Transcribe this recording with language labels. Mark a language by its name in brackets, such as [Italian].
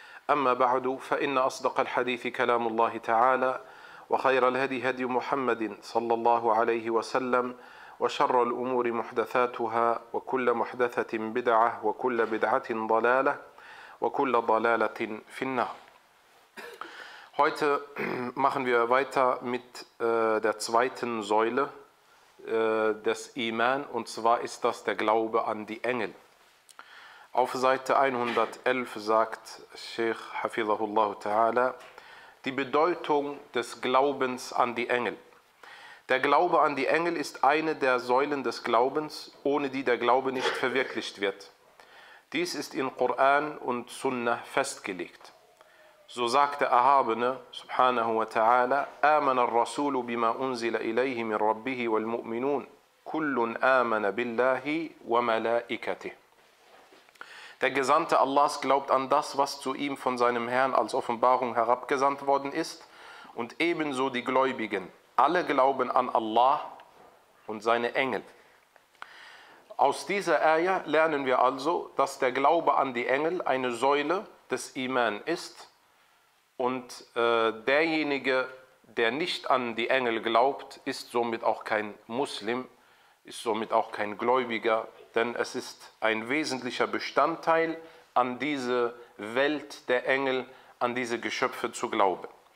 [Arabic] أما بعد فإن أصدق الحديث كلام الله تعالى وخير الهدي هدي محمد صلى الله عليه وسلم وشر الأمور محدثاتها وكل محدثة بدعة وكل بدعة ضلالة وَكُلَّ ضَلَالَةٍ فِي النَّارِ. [German] Heute machen wir weiter mit der zweiten Säule des Iman, und zwar ist das der Glaube an die Engel. Auf Seite 111 sagt Sheikh Hafizahullah Ta'ala die Bedeutung des Glaubens an die Engel. Der Glaube an die Engel ist eine der Säulen des Glaubens, ohne die der Glaube nicht verwirklicht wird. Dies ist in Koran und Sunna festgelegt. So sagt der Erhabene, [Arabic] subhanahu wa ta'ala, آمَنَ الرَّسُولُ بِمَا أُنزِلَ إِلَيْهِ مِنْ رَبِّهِ وَالْمُؤْمِنُونَ كُلٌّ آمَنَ بِاللَّهِ وَمَلَائِكَتِهِ. [German] Der Gesandte Allahs glaubt an das, was zu ihm von seinem Herrn als Offenbarung herabgesandt worden ist, und ebenso die Gläubigen. Alle glauben an Allah und seine Engel. Aus dieser Ayah lernen wir also, dass der Glaube an die Engel eine Säule des Iman ist, und derjenige, der nicht an die Engel glaubt, ist somit auch kein Muslim, ist somit auch kein Gläubiger, denn es ist ein wesentlicher Bestandteil, an diese Welt der Engel, an diese Geschöpfe zu glauben.